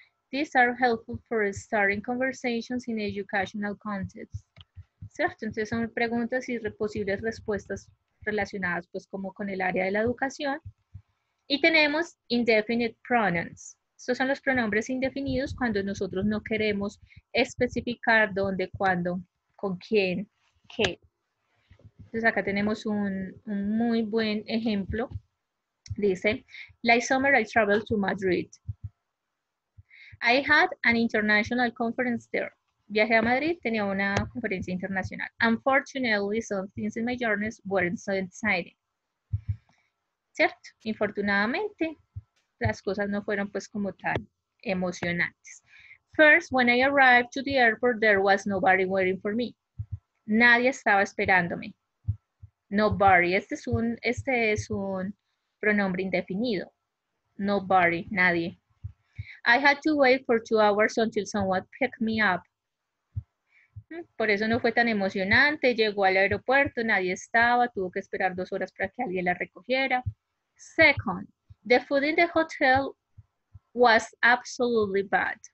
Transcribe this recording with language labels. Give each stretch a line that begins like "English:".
English: These are helpful for starting conversations in educational contexts.
Spanish: ¿Cierto? Entonces son preguntas y posibles respuestas relacionadas pues como con el área de la educación. Y tenemos
English: indefinite pronouns.
Spanish: Estos son los pronombres indefinidos cuando nosotros no queremos especificar dónde, cuándo, con quién, qué. Entonces acá tenemos un muy buen ejemplo. Dice,
English: last summer I traveled to Madrid. I had an international conference there.
Spanish: Viajé a Madrid, tenía una conferencia internacional.
English: Unfortunately, some things in my journey weren't so exciting.
Spanish: ¿Cierto? Infortunadamente, las cosas no fueron pues como tan emocionantes.
English: First, when I arrived to the airport, there was nobody waiting for me.
Spanish: Nadie estaba esperándome.
English: Nobody.
Spanish: Este es un pronombre indefinido.
English: Nobody.
Spanish: Nadie.
English: I had to wait for 2 hours until someone picked me up.
Spanish: Por eso no fue tan emocionante. Llegó al aeropuerto, nadie estaba. Tuvo que esperar 2 horas para que alguien la recogiera.
English: Second, the food in the hotel was absolutely bad.